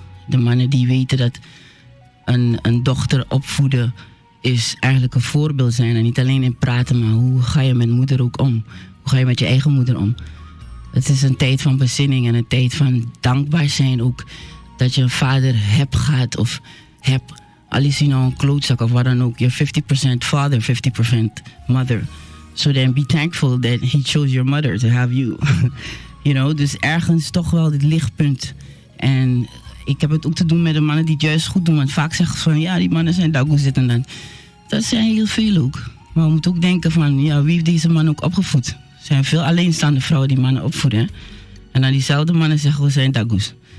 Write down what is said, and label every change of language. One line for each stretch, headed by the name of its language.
Dutch: De mannen die weten dat een dochter opvoeden is eigenlijk een voorbeeld zijn. En niet alleen in praten, maar hoe ga je met moeder ook om? Hoe ga je met je eigen moeder om? Het is een tijd van bezinning en een tijd van dankbaar zijn ook. Dat je een vader hebt gehad of hebt. Al is hij nou een klootzak of wat dan ook.
English: You're 50% father, 50% mother. So then be thankful that he chose your mother to have you. You know,
Dutch: dus ergens toch wel dit lichtpunt. En ik heb het ook te doen met de mannen die het juist goed doen. Want vaak zeggen ze van ja, die mannen zijn daar goed zitten dan. Dat zijn heel veel ook. Maar we moeten ook denken van ja, wie heeft deze man ook opgevoed? Er zijn veel alleenstaande vrouwen die mannen opvoeden. Hè? En dan diezelfde mannen zeggen, we zijn dagoes.